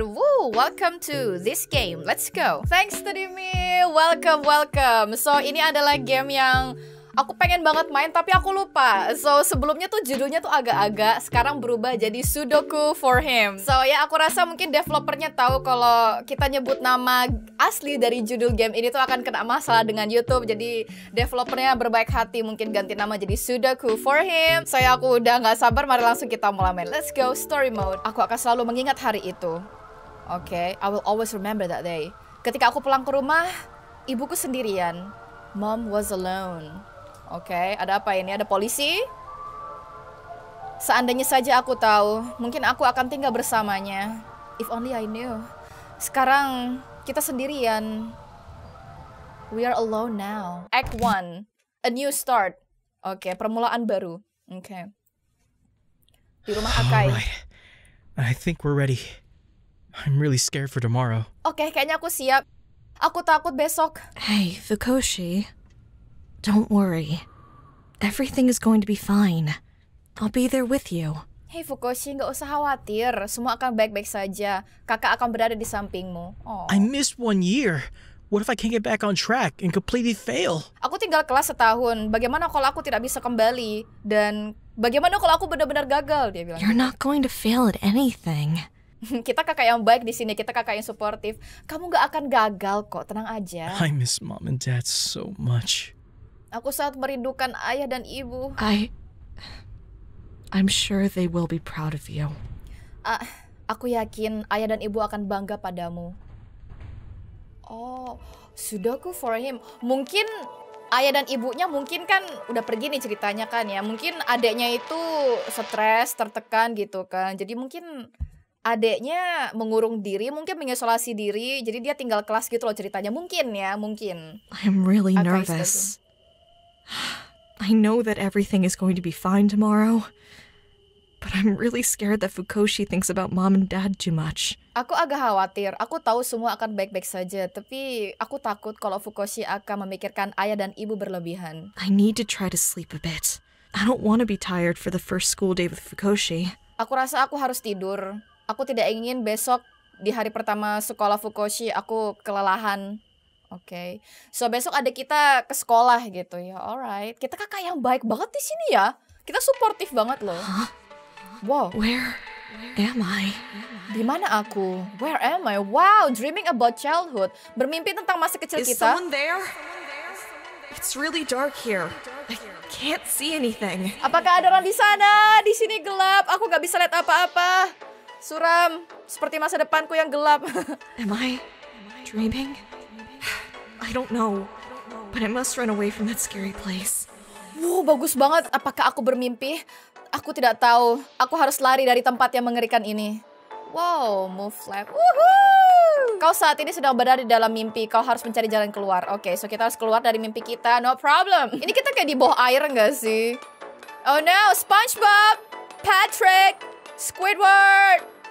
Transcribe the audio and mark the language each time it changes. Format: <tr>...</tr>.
<en>Woo, welcome to this game. Let's go. Thanks to Dimi. Welcome, welcome.</en> <id>So, ini adalah game yang aku pengen banget main tapi aku lupa. So sebelumnya tuh judulnya tuh agak-agak, sekarang berubah jadi Sudoku for Him. So ya, aku rasa mungkin developernya tahu kalau kita nyebut nama asli dari judul game ini tuh akan kena masalah dengan YouTube. Jadi developernya berbaik hati mungkin ganti nama jadi Sudoku for Him. So ya, aku udah gak sabar, mari langsung kita mulai main.</id> <en>Let's go, story mode.</en> <id>Aku akan selalu mengingat hari itu.</id> <en>Oke, okay. I will always remember that day.</en> <id>Ketika aku pulang ke rumah, ibuku sendirian.</id> <en>Mom was alone.</en> <id>Oke, okay, ada apa ini? Ada polisi? Seandainya saja aku tahu, mungkin aku akan tinggal bersamanya.</id> <en>If only I knew.</en> <id>Sekarang, kita sendirian.</id> <en>We are alone now. Act 1. A new start.</en> <id>Oke, okay, permulaan baru. Oke. Okay. Di rumah Akai.</id> <en>Alright. I think we're ready. I'm really scared for tomorrow.</en> <id>Oke, okay, kayaknya aku siap. Aku takut besok.</id> <en>Hey, Fukoshi. Don't worry. Everything is going to be fine. I'll be there with you.</en> <id>Hey Fukoshi, gak usah khawatir. Semua akan baik-baik saja. Kakak akan berada di sampingmu.</id> <en>Aww. I missed one year. What if I can't get back on track and completely fail?</en> <id>Aku tinggal kelas setahun. Bagaimana kalau aku tidak bisa kembali? Dan bagaimana kalau aku benar-benar gagal? Dia bilang.</id> <en>You're not going to fail at anything.</en> <id>Kita kakak yang baik di sini. Kita kakak yang suportif. Kamu gak akan gagal kok. Tenang aja.</id> <en>I miss mom and dad so much.</en> <id>Aku sangat merindukan ayah dan ibu.</id> <en>I'm sure they will be proud of you.</en> <id>Aku yakin ayah dan ibu akan bangga padamu. Oh, Sudoku for him. Mungkin ayah dan ibunya mungkin kan udah pergi nih ceritanya kan ya. Mungkin adeknya itu stres, tertekan gitu kan. Jadi mungkin adeknya mengurung diri, mungkin mengisolasi diri. Jadi dia tinggal kelas gitu loh ceritanya. Mungkin ya, mungkin.</id> <en>I'm really nervous. I know that everything is going to be fine tomorrow, but I'm really scared that Fukoshi thinks about mom and dad too much.</en> <id>Aku agak khawatir. Aku tahu semua akan baik-baik saja, tapi aku takut kalau Fukoshi akan memikirkan ayah dan ibu berlebihan.</id> <en>I need to try to sleep a bit. I don't want to be tired for the first school day with Fukoshi.</en> <id>Aku rasa aku harus tidur. Aku tidak ingin besok di hari pertama sekolah Fukoshi aku kelelahan. Oke, okay. So besok ada kita ke sekolah gitu ya. Alright, kita kakak yang baik banget di sini ya. Kita suportif banget loh. Huh? Wow.</id> <en>Where am I?</en> <id>Di mana aku?</id> <en>Where am I? Wow, dreaming about childhood.</en> <id>Bermimpi tentang masa kecil</id> <en>Is Is someone there? It's really dark here. I can't see anything.</en> <id>Apakah ada orang di sana? Di sini gelap. Aku nggak bisa lihat apa-apa. Suram. Seperti masa depanku yang gelap.</id> <en>Am I dreaming? I don't know, but I must run away from that scary place.</en> <id>Wow, bagus banget. Apakah aku bermimpi? Aku tidak tahu. Aku harus lari dari tempat yang mengerikan ini. Wow, move left. Woohoo! Kau saat ini sedang berada di dalam mimpi. Kau harus mencari jalan keluar. Oke, okay, so kita harus keluar dari mimpi kita.</id> <en>No problem.</en> <id>Ini kita kayak di bawah air nggak sih? Oh no, SpongeBob, Patrick, Squidward.</id>